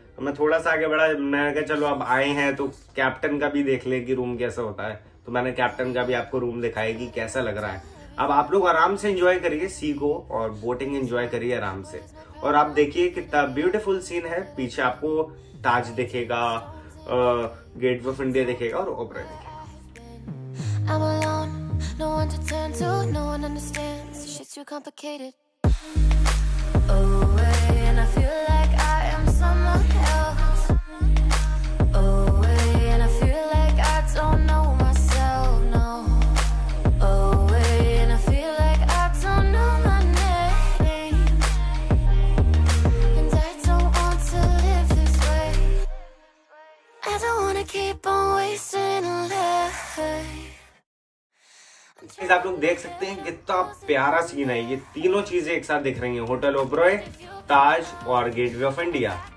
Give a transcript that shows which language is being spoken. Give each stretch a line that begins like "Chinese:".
Hindi: तो मैं थोड़ा सा आगे बढ़ा, मैंने कहा चलो अब आए हैं तो कैप्टन का भी देख ले कि रूम कैसा होता है, तो मैंने कैप्टन का भी आपको रूम दिखाया कि कैसा लग रहा है। अब आप लोग आराम से एंजॉय करिए सी को, और बोटिंग एंजॉय करिए आराम से, और आप देखिए कितना ब्यूटीफुल सीन है। पीछे आपको ताज दिखेगा, गेट ऑफ इंडिया दिखेगा और ओपरा दिखेगा।
English: I'm alone, no one to turn to, no one understands, shit's too complicated. Away, and I feel like I am someone else. Away, and I feel like I don't know myself, no. Away, and I feel like I don't know my name. And I don't want to live this way. I don't wanna keep on wasting life.
Hindi: आप लोग देख सकते हैं कितना प्यारा scene है, ये तीनों चीजें एक साथ दिख रही हैं, होटल ओबेरॉय, ताज और गेटवे ऑफ इंडिया।